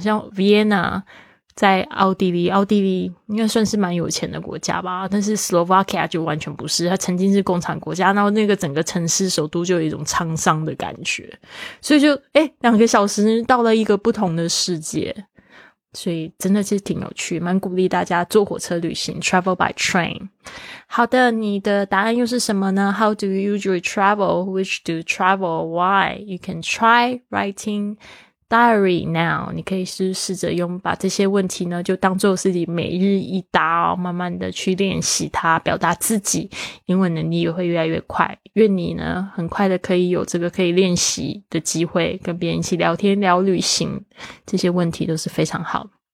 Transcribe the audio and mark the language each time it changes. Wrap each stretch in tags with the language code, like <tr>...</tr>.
<zh>像 Vienna 在奥地利应该算是蛮有钱的国家吧，但是 Slovakia 就完全不是，它曾经是共产国家，然后那个整个城市首都就有一种沧桑的感觉，所以就2个小时到了一个不同的世界，所以真的是挺有趣，蛮鼓励大家坐火车旅行</zh> <en>travel by train。</en> <zh>好的，你的答案又是什么呢？</zh> <en>How do you usually travel? Which do you travel? Why? You can try writing diary now.</en> <zh>你可以试着用把这些问题呢就当作是你每日一答哦，慢慢的去练习它，表达自己英文能力也会越来越快。愿你呢很快的可以有这个可以练习的机会，跟别人一起聊天聊旅行，这些问题都是非常好。</zh>